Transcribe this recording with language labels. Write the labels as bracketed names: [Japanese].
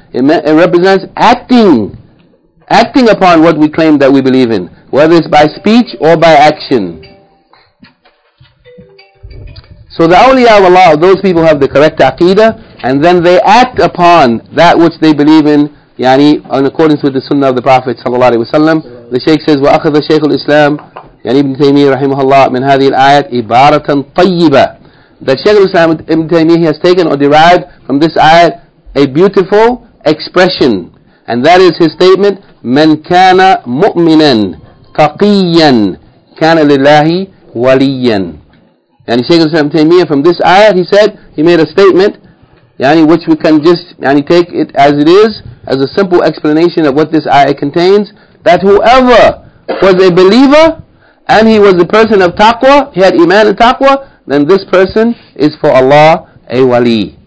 [English] It represents acting upon what we claim that we believe in, whether it's by speech or by action. So the awliya of Allah, those people have the correct aqidah, and then they act upon that which they believe in, yani in accordance with the sunnah of the Prophet sallallahu alaihi wasallam. The Shaykh says, [Arabic] وَأَخَذَ شَيْخُ الْإِسْلَامِ, yani Ibn Taymiyyah رحمه الله, من هذه الآية إِبَارَةً طَيِّبَةً. [English] The Shaykh al-Islam Ibn Taymiyyah has taken or derived from this ayat a beautiful expression, and that is his statement, [Arabic] مَنْ كَانَ مُؤْمِنًا تَقِيًّا كَانَ لِلَّهِ وَلِيًّا. [English] And Shaykh al-Islam Taymiyyah, from this ayat, he said, he made a statement, yani which we can just yani take it as it is, as a simple explanation of what this ayat contains, that whoever was a believer, and he was a person of taqwa, he had iman and taqwa, then this person is for Allah a wali.